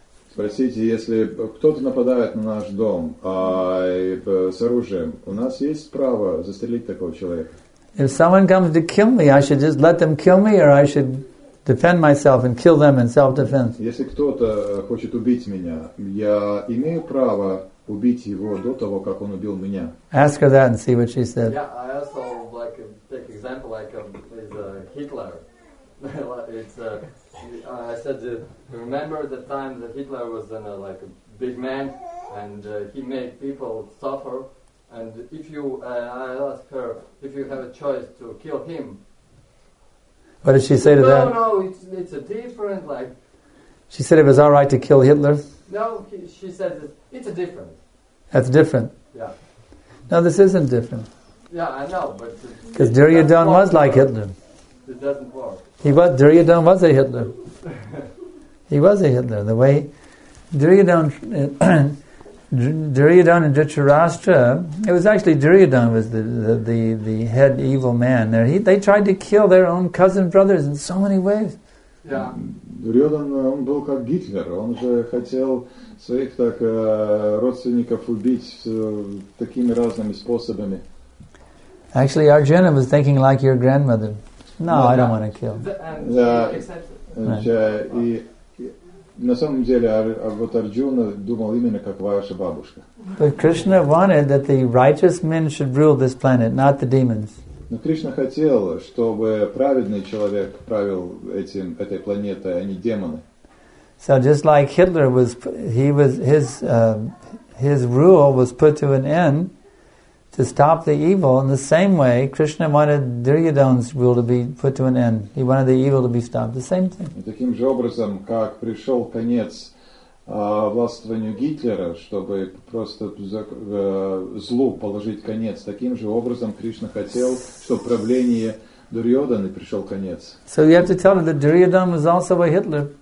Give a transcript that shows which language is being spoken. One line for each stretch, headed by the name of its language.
Russian: Спросите, если кто-то нападает на наш дом с оружием, у нас есть право застрелить такого человека?
English: If someone comes to kill me, I should just let them kill me, or I should defend myself and kill them in self-defense?
Russian: Если кто-то хочет убить меня, я имею право убить его до того, как он убил меня.
English: Ask her that and see what she said. Yeah, I also like take example like Hitler. I said, remember the time that Hitler was like a big man and he made people suffer. And if you, I asked her if you have a choice to kill him. What did she say to that? No, it's a different like. She said it was all right to kill Hitler. No, she said it's a different. That's different. Yeah. No, this isn't different. Yeah, I know, but because Duryodhana was like Hitler. It doesn't work. He was, Duryodhana was a Hitler. He was a Hitler. The way Duryodhana and Dhritarashtra, it was actually Duryodhana was the head evil man there. They tried to kill their own cousin brothers in so many ways. Yeah.
Russian: Duryodhana, он был как Гитлер. Он же хотел своих так родственников убить такими разными способами.
English: Actually, Arjuna was thinking like your grandmother. No, I don't want to kill.
Russian: На самом деле, вот Арджуна думал именно как ваша бабушка.
English: But Krishna wanted that the righteous men should rule this planet, not the demons.
Russian: Но Кришна хотел, чтобы праведный человек правил этой планетой, а не демоны.
English: So just like Hitler was, his rule was put to an end to stop the evil. In the same way, Krishna wanted Duryodhana's rule to be put to an end. He wanted the evil to be stopped. The same thing.
Russian: Таким же образом, как пришел конец властвованию Гитлера, чтобы просто злу положить конец, таким же образом Кришна хотел, чтобы правление Дурьодханы пришел конец.
English: So you have to tell him that Duryodhana was also a Hitler.